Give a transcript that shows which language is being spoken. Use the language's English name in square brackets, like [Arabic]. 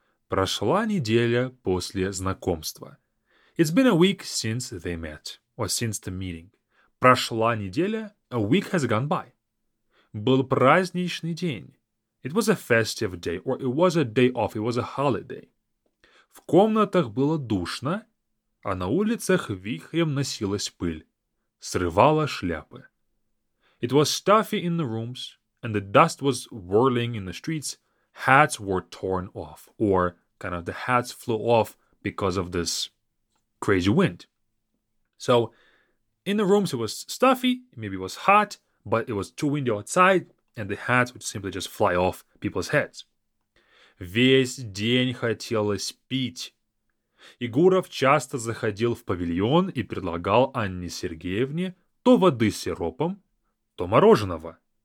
[Russian] Прошла неделя после знакомства. [English] It's been a week since they met, or since the meeting. [Russian] Прошла неделя, [English] a week has gone by. [Russian] Был праздничный день. [English] It was a festive day, or it was a day off, it was a holiday. [Russian] В комнатах было душно, а на улицах вихрем носилась пыль. Срывала шляпы. [English] It was stuffy in the rooms, and the dust was whirling in the streets. Hats were torn off, or kind of the hats flew off because of this crazy wind. So, in the rooms it was stuffy, maybe it was hot, but it was too windy outside, and the hats would simply just fly off people's heads. [Russian] Весь день хотелось пить. Егоров часто заходил в павильон и предлагал Анне Сергеевне то воды с сиропом, то мороженого.